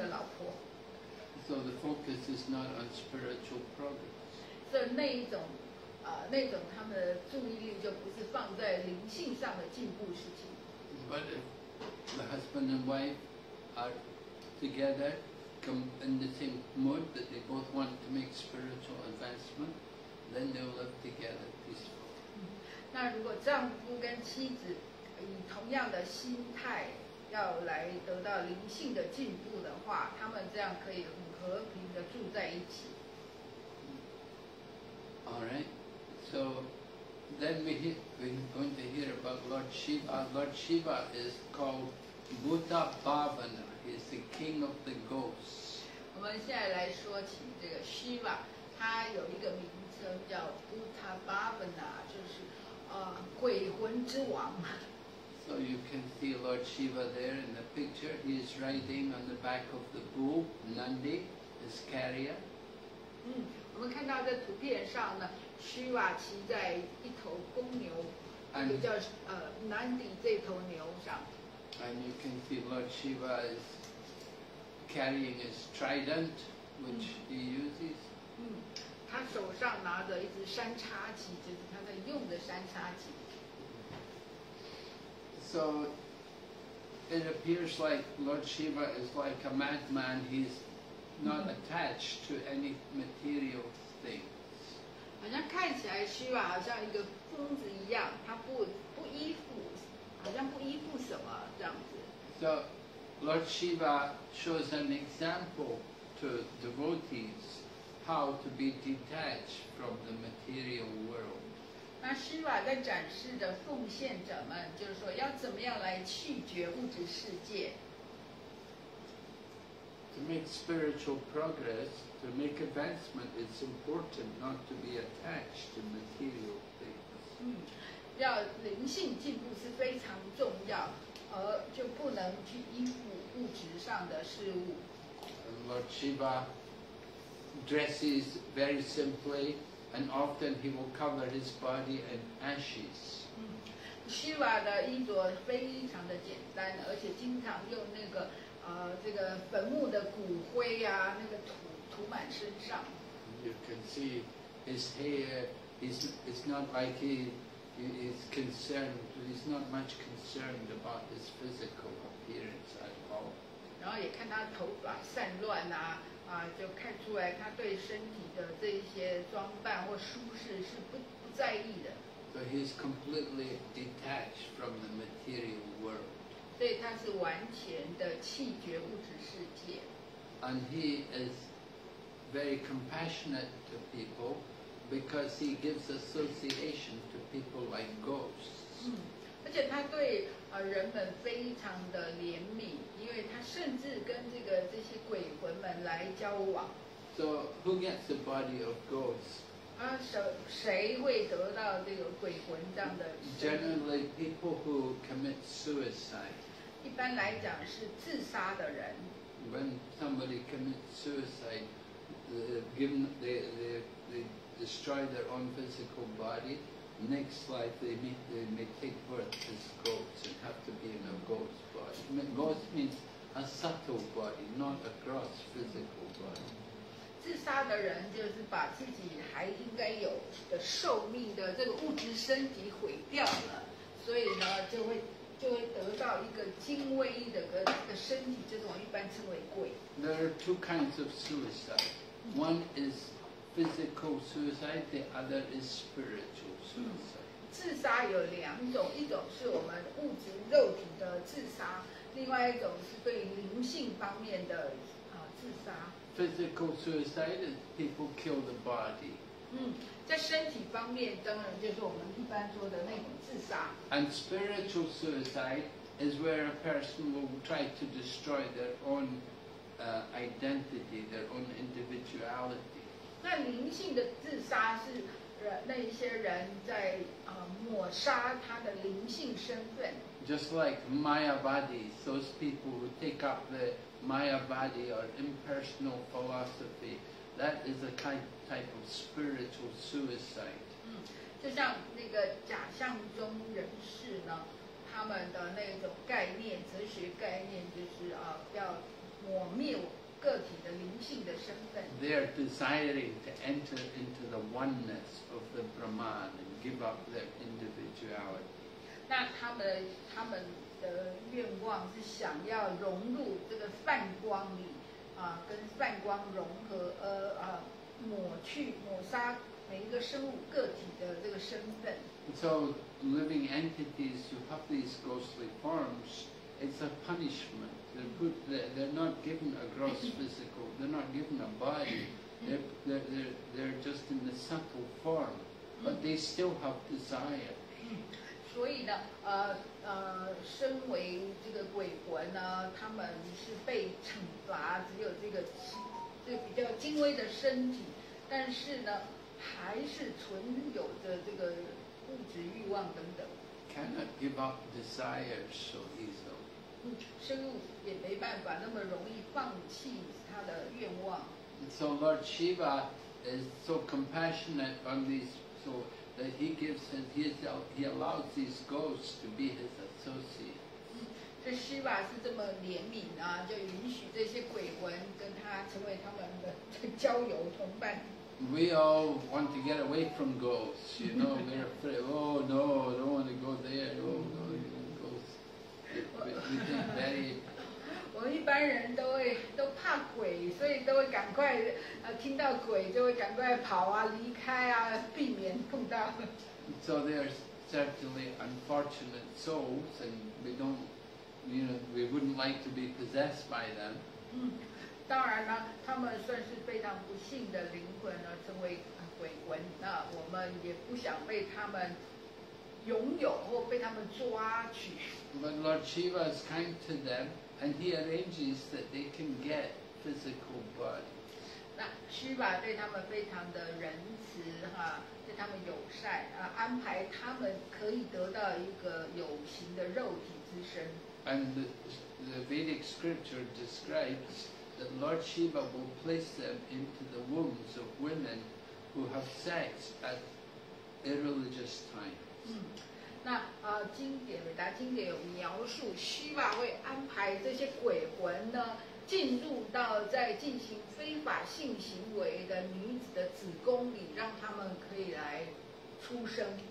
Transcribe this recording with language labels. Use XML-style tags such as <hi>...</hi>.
<zh>就人们觉得家里没有找到感官享乐，就去换个新的老婆。</zh> <en>So the focus is not on spiritual progress.</en> <zh>那种他们的注意力就不是放在灵性上的进步事情。</zh> <en>But if the husband and wife are together, come in the same mood that they both want to make spiritual advancement, then they will live together peacefully.</en> <zh>那如果丈夫跟妻子以同样的心态，要来得到灵性的进步的话，他们这样可以很和平的住在一起。</zh> <en>All right, so then we're going to hear about Lord Shiva. Lord Shiva is called Bhuta Bhavana. He's the king of the ghosts.</en> <zh>我们现在来说起这个 Shiva， 他有一个名称叫 Bhuta Bhavana， 就是鬼魂之王。</zh> <en>So you can see Lord Shiva there in the picture. He is riding on the back of the bull Nandi, his carrier.</en> <zh>我们看到在图片上呢 ，Shiva 骑在一头公牛，就叫Nandi 这头牛上。</zh> <en>And you can see Lord Shiva is carrying his trident, which he uses.</en> <zh>他手上拿着一支山叉戟，就是他在用的山叉戟。</zh> <en>So it appears like Lord Shiva is like a madman. He's not attached to any material things.</en> <zh>好像看起来 Shiva 好像一个疯子一样，他不依附，好像不依附什么这样子。</zh> <en>So Lord Shiva shows an example to devotees how to be detached from the material world.</en> <zh>那 Shiva 在展示的奉献者们，就是说要怎么样来去绝物质世界。</zh> <en>To make spiritual progress, to make advancement, it's important not to be attached to material things.</en> <zh>要灵性进步是非常重要，而就不能去依附物质上的事物。</zh> <en>Lord Shiva dresses very simply. And often he will cover his body in ashes.</en> <zh>Shiva 的衣着非常的简单，而且经常用那个这个坟墓的骨灰啊，那个土涂满身上。</zh> <en>You can see his hair. It's not like he is concerned. He's not much concerned about his physical appearance at all.</en> <zh>然后也看他头发散乱啊。就看出来他对身体的这些装扮或舒适是不在意的。</zh> <en>So he's completely detached from the material world.</en> <zh>所以他是完全的弃绝物质世界。</zh> <en>And he is very compassionate to people because he gives association to people like ghosts.</en> <zh>而且他对人们非常的怜悯。因为他甚至跟这些鬼魂们来交往。</zh> <en>So who gets the body of ghosts?</en> <zh>谁会得到这个鬼魂这样的？</zh> <en>Generally, people who commit suicide.</en> <zh>一般来讲是自杀的人。</zh> <en>When somebody commits suicide, they destroy their own physical body. Next life, they may take birth as ghosts and have to be in a ghost. Ghost means a subtle body, not a gross physical body.</en> <zh>自杀的人就是把自己还应该有的寿命的这个物质身体毁掉了，所以呢，就会得到一个精微的个身体，这种一般称为鬼。</zh> <en>There are two kinds of suicide. One is physical suicide, the other is spiritual suicide.</en> <zh>自杀有两种，一种是我们物质肉体的自杀，另外一种是对灵性方面的自杀。</zh> <en>Physical suicide is people kill the body.</en> <zh>在身体方面当然就是我们一般说的那种自杀。</zh> <en>And spiritual suicide is where a person will try to destroy their own identity, their own individuality.</en> <zh>那灵性的自杀是那一些人在抹杀他的灵性身份。</zh> <en>Just like Maya bodies, those people who take up the Maya body or impersonal philosophy, that is a type of spiritual suicide.</en> <zh>就像那个假象中人士呢，他们的那种概念，哲学概念就是要抹灭个体的灵性的身份。</zh> <en>They are desiring to enter into the oneness of the Brahman and give up their individuality.</en> <zh>那他们的愿望是想要融入这个梵光里，跟梵光融合，抹杀每一个生物个体的这个身份。</zh> <en>So living entities who have these ghostly forms It's a punishment. They're not given a gross physical, they're not given a body. They're just in the subtle form, but they still have desire.</en> <zh>所以呢，身为这个鬼魂呢，他们是被惩罚，只有这个比较精微的身体，但是呢，还是存有着这个物质欲望等等。</zh> <en>Cannot give up desire so easily.</en> <zh>生物也没办法那么容易放弃他的愿望。</zh> <en>So Lord Shiva is so compassionate on these, so that he gives his, he allows these ghosts to be his associates.</en> <zh>这 Shiva 是这么怜悯啊，就允许这些鬼魂跟他成为他们的交友同伴。</zh> <en>We all want to get away from ghosts, you know, we're afraid, oh no, I don't want to go there, oh no, ghosts. We think very.</en> <zh>我们一般人都怕鬼，所以都会赶快听到鬼就会赶快跑啊，离开啊，避免碰到。</zh> <en>So they are certainly unfortunate souls, and we don't, you know, we wouldn't like to be possessed by them.</en> <zh>当然呢，他们算是非常不幸的灵魂呢，成为鬼魂。那我们也不想被他们拥有或被他们抓去。</zh> <en>But Lord Shiva is kind to them, and he arranges that they can get physical body.</en> <zh>那 Shiva 对他们非常的仁慈哈，对他们友善啊，安排他们可以得到一个有形的肉体之身。</zh> <en>And the Vedic scripture describes. That Lord Shiva will place them into the wombs of women who have sex at irreligious times.</en> <zh>那经典伟达经典有描述，希瓦会安排这些鬼魂呢进入到在进行非法性行为的女子的子宫里，让他们可以来出生。</zh>